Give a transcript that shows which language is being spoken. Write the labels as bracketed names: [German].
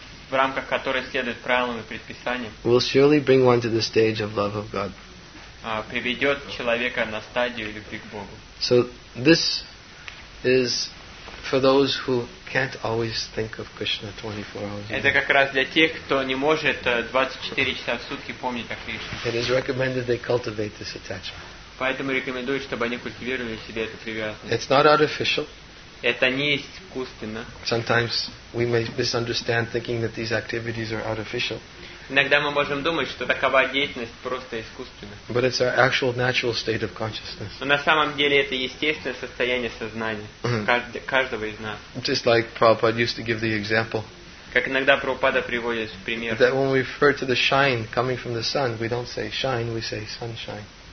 [Russian] В рамках которой следует правилам и предписаниям. [English] Will surely bring one to the stage of love of God. [Russian] Приведет человека на стадию любви к Богу. [English] So this is for those who can't always think of Krishna 24 hours. [Russian] Это как раз для тех, кто не может 24 часа в сутки помнить о Кришне. [English] It is recommended they cultivate this attachment. [Russian] Поэтому рекомендую, чтобы они культивировали в себе эту привязанность. [English] It's not artificial. [Russian] Это не искусственно. [English] Sometimes we may misunderstand thinking that these activities are artificial. [Russian] Иногда мы можем думать, что такова деятельность просто искусственна. [English] But it's our actual natural state of consciousness. [Russian] Но на самом деле это естественное состояние сознания каждого из нас. [English] Just like Prabhupada used to give the example. [Russian] Как иногда Прабхупада приводит в пример. [English] That when we refer to the shine coming from the sun, we don't say shine, we say sunshine.